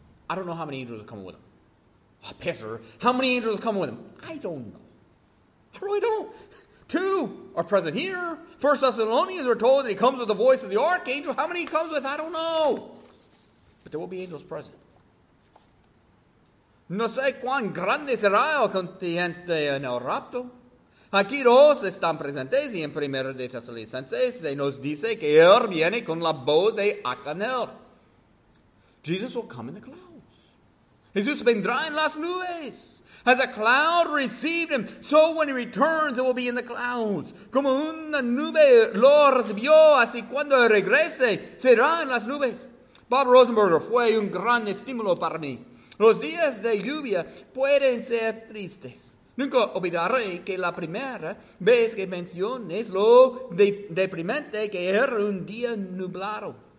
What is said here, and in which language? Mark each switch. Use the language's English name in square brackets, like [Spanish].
[English] I don't know how many angels are coming with him. Oh, Peter, how many angels are coming with him? I don't know. I really don't. Two are present here. First Thessalonians are told that he comes with the voice of the archangel. How many he comes with, I don't know. But there will be angels present. [Spanish] No sé cuán grande será el contingente en el rapto. Aquí dos están presentes y en primero de Tesalicenses se nos dice que él viene con la voz de Acanel. [English] Jesus will come in the clouds. [Spanish] Jesús vendrá en las nubes. [English] As a cloud received him, so when he returns, it will be in the clouds. [Spanish] Como una nube lo recibió, así cuando regrese, será en las nubes. Bob Rosenberger fue un gran estímulo para mí. Los días de lluvia pueden ser tristes. Nunca olvidaré que la primera vez que menciones lo deprimente que era un día nublado.